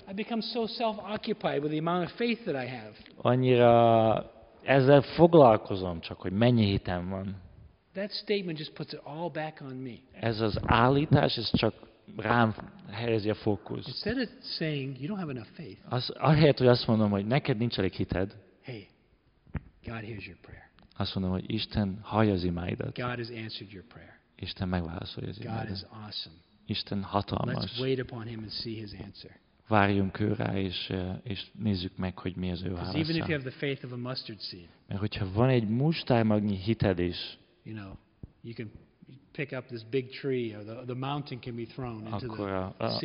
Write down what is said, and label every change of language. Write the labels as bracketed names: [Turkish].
[English] I become so self-occupied with the amount of faith that I have. [Hungarian] Annyira ezzel foglalkozom csak, hogy mennyi hitem van. [English] That statement just puts it all back on me. [Hungarian] Ez az állítás, ez csak rám helyezi a fókusz. [English] Instead of saying you don't have enough faith. [Hungarian] Ahelyett, hogy azt mondom, hogy neked nincs elég hited. [English] Hey, God hears your prayer. [Hungarian] Azt mondom, hogy Isten hallja az imádat. [English] God has answered your prayer. [Hungarian] Isten megválaszolja az imádat. [English] God is awesome. [Hungarian] Isten hatalmas. [English] Let's wait upon Him and see His answer. [Hungarian] Várjunk ő rá, és nézzük meg, hogy mi az ő válasza. [English] Even if you have the faith of a mustard seed. [Hungarian] Mert hogyha van egy mustármagnyi hited is. [English] You know, you can pick up this big tree, or the mountain can be thrown into the sea.